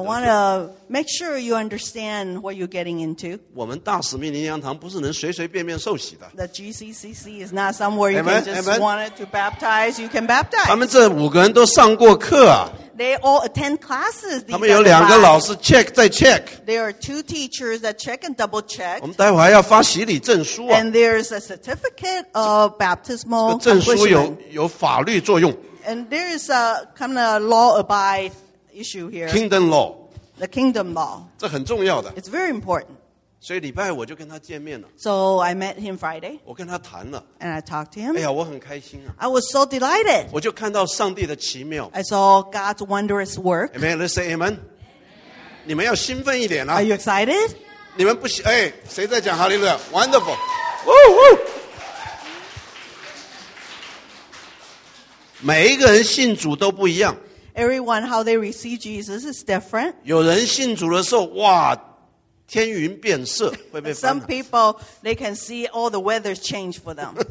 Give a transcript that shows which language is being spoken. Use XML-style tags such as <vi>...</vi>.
<en>I want to make sure you understand what you're getting into.</en> <zh>我们大使命灵粮堂不是能随随便便受洗的。</zh> <en>The GCCC is not somewhere you can just want to baptize. You can baptize.</en> <zh>他们这五个人都上过课啊。</zh> <en>They all attend classes.</en> <zh>他们有两个老师 check 再 check.</zh> <en>There are two teachers that check and double check.</en> <zh>我们待会还要发洗礼证书啊。</zh> <en>And there's a certificate of baptismal. 这证书有法律作用。 And there is a kind of law abide issue here. Kingdom law. The kingdom law.</en> <zh>这很重要的。</zh> <en>It's very important.</en> <zh>所以礼拜我就跟他见面了。</zh> <en>So I met him Friday.</en> <zh>我跟他谈了。</zh> <en>And I talked to him.</en> <zh>哎呀，我很开心啊。</zh> <en>I was so delighted.</en> <zh>我就看到上帝的奇妙。</zh> <en>I saw God's wondrous work. Amen. Let's say amen. Amen.</en> <zh>你们要兴奋一点啊。</zh> <en>Are you excited?</en> <zh>你们不兴，哎，谁在讲哈利路亚 ？</zh> <en>Wonderful. Woo woo.</en> <zh>每一个人信主都不一样。</zh> <en>Everyone, how they receive Jesus is different.</en> <zh>有人信主的时候，哇，天云变色，会被翻。</zh> <en>Some people, they can see all the weather change for them.</en>